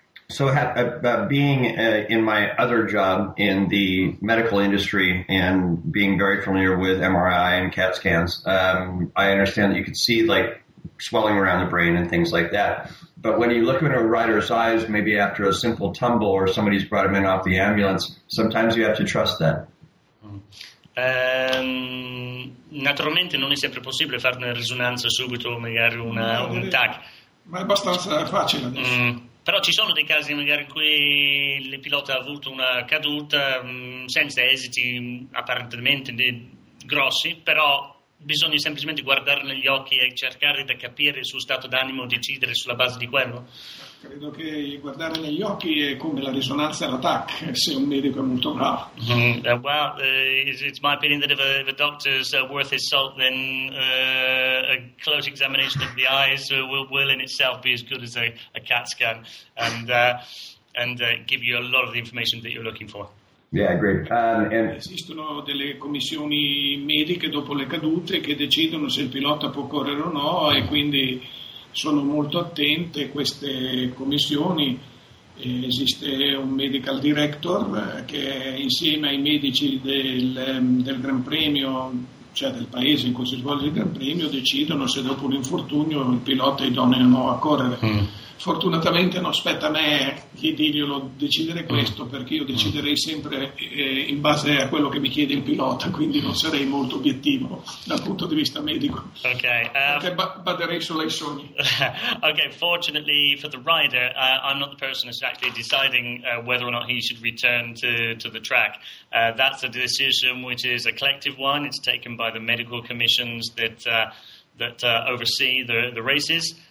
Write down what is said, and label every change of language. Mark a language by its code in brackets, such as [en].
[en] So, in my other job in the medical industry and being very familiar with MRI and CAT scans, I understand that you could see like swelling around the brain and things like that. But when you look in a rider's eyes, maybe after a simple tumble or somebody's brought him in off the ambulance, sometimes you have to trust that. [it] Naturalmente non è sempre possibile fare una risonanza subito o magari un TAC. Ma è abbastanza facile adesso. Però ci sono dei casi magari in cui il pilota ha avuto una caduta senza esiti apparentemente grossi, però bisogna semplicemente guardare negli occhi e cercare di capire il suo stato d'animo, decidere sulla base di quello? Credo che guardare negli occhi è come la risonanza e l'attack, se un medico è molto bravo. [en] It's my opinion that if a doctor is worth his salt, then a close examination of the eyes will in itself be as good as a CAT scan and give you a lot of the information that you're looking for. Yeah, agree. [it] Esistono delle commissioni mediche dopo le cadute che decidono se il pilota può correre o no, e quindi sono molto attente queste commissioni. Esiste un medical director che insieme ai medici del Gran Premio, cioè del paese in cui si svolge il Gran Premio, decidono se dopo un infortunio il pilota è idoneo o no a correre. Fortunatamente non spetta a me chiederglielo, decidere questo, perché io deciderei sempre in base a quello che mi chiede il pilota, quindi non sarei molto obiettivo dal punto di vista medico. Okay, baderei sulle sogni. [en] Okay, fortunately for the rider, I'm not the person who's actually deciding whether or not he should return to the track. That's a decision which is a collective one. It's taken by the medical commissions that oversee the races.